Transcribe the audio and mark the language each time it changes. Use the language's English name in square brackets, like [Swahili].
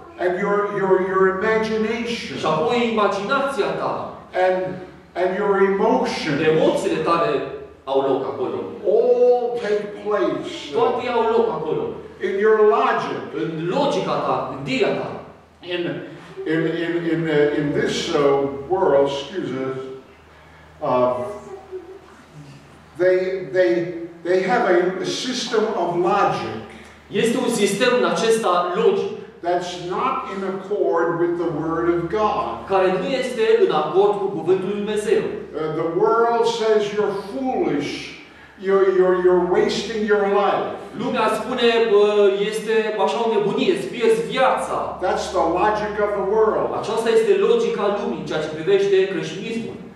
[English] And your imagination. [Romanian] Și apoi imaginația ta. [English] And your emotions. [Romanian] Emoțiile tale au loc acolo. [English] All take place. [Romanian] Toate au loc acolo. [English] In your logic. [Romanian] În logica ta, în gândirea ta. [English] In, in this world, excuse us, they have a system of logic. [Romanian] Este un sistem în acesta logic. [English] That's not in accord with the word of God. [Romanian] Care nu este în acord cu cuvântul lui Dumnezeu. [English] The world says you're foolish. You're wasting your life. [Romanian] Lumea spune că este așa o nebunie, îți pierzi viața. [English] That's the logic of the world. [Romanian] Aceasta este logica lumii, ceea ce privește creștinismul.